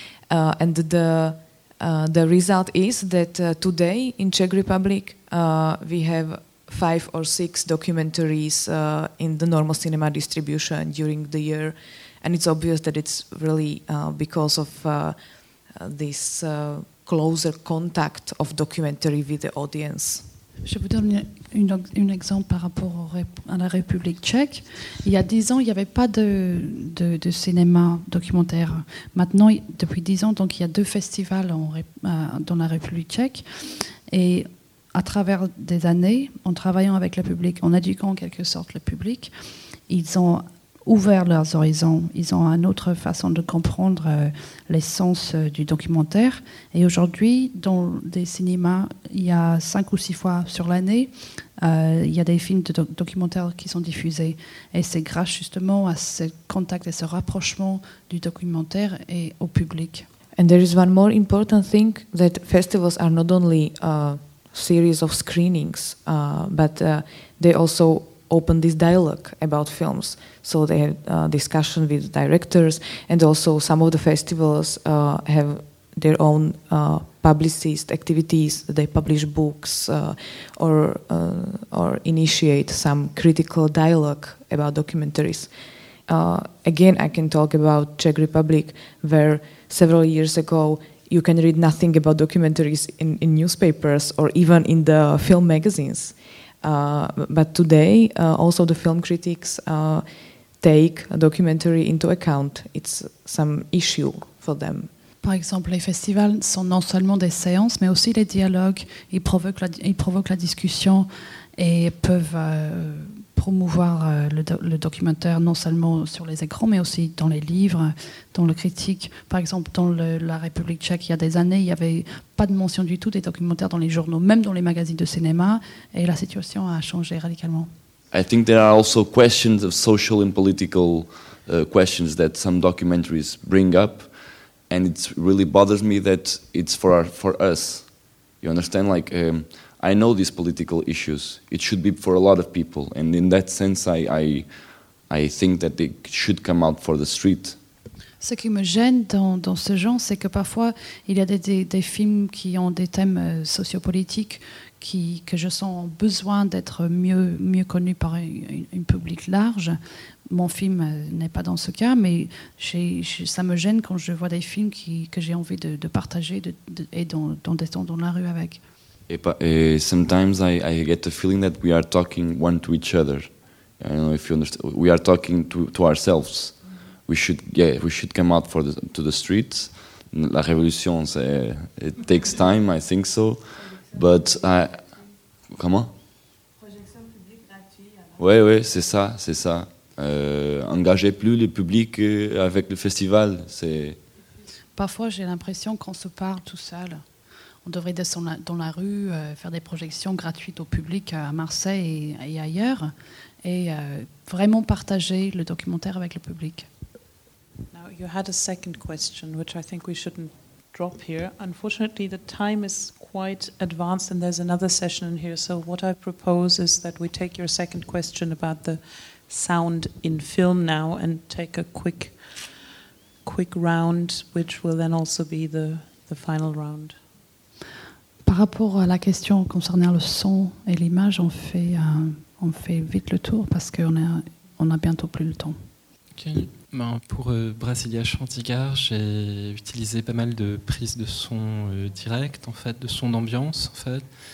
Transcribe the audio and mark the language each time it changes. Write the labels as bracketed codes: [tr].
[en] And the result is that today in Czech Republic we have 5 or 6 documentaries in the normal cinema distribution during the year. And it's obvious that it's really because of this closer contact of documentary with the audience. [fr] Je vous donne un exemple par rapport à la République tchèque. Il y a 10 ans, il n'y avait pas de cinéma documentaire. Maintenant, depuis 10 ans, donc, il y a 2 festivals dans la République tchèque. Et à travers des années, en travaillant avec le public, en éduquant en quelque sorte le public, ils ont ouvert leurs horizons. Ils ont une autre façon de comprendre l'essence du documentaire. Et aujourd'hui, dans des cinémas, il y a 5 ou 6 fois sur l'année, il y a des films de documentaires qui sont diffusés. Et c'est grâce justement à ce contact et ce rapprochement du documentaire et au public. [en] And there is one more important thing, that festivals are not only a series of screenings, but they also open this dialogue about films. So they have discussion with directors, and also some of the festivals have their own publicist activities. They publish books or initiate some critical dialogue about documentaries. Again, I can talk about Czech Republic, where several years ago you can read nothing about documentaries in newspapers or even in the film magazines. But today, also the film critics take a documentary into account. It's some issue for them. [fr] Par exemple, les festivals sont non seulement des séances, mais aussi des dialogues. Ils provoquent la discussion et peuvent promouvoir le documentaire non seulement sur les écrans, mais aussi dans les livres, dans le critique. Par exemple, dans la République tchèque, il y a des années, il n'y avait pas de mention du tout des documentaires dans les journaux, même dans les magazines de cinéma, et la situation a changé radicalement. [en] I think there are also questions of social and political questions that some documentaries bring up, and it really bothers me that it's for us. You understand? Like, I know these political issues. It should be for a lot of people, and in that sense, I think that they should come out for the street. [fr] Ce qui me gêne dans ce genre, c'est que parfois il y a des films qui ont des thèmes sociopolitiques que je sens besoin d'être mieux connu par un public large. Mon film n'est pas dans ce cas, mais ça me gêne quand je vois des films que j'ai envie de partager et d'être dans la rue avec. [en] Sometimes I get the feeling that we are talking one to each other. I don't know if you understand. We are talking to ourselves. We should come out to the streets. [fr] La révolution, [en] it takes time. I think so. But I, [fr] comment? Projection publique gratuite. Oui, c'est ça. Engager plus le public avec le festival, c'est. Parfois, j'ai l'impression qu'on se parle tout seul. On devrait descendre dans la rue, faire des projections gratuites au public à Marseille et ailleurs, et vraiment partager le documentaire avec le public. [en] Now you had a second question, which I think we shouldn't drop here. Unfortunately, the time is quite advanced, and there's another session in here. So what I propose is that we take your second question about the sound in film now, and take a quick round, which will then also be the final round. [fr] Par rapport à la question concernant le son et l'image, on fait vite le tour parce qu'on a bientôt plus le temps. Ok. Ben pour Brasilia Chantigard, j'ai utilisé pas mal de prises de son direct, en fait, de son d'ambiance, en fait.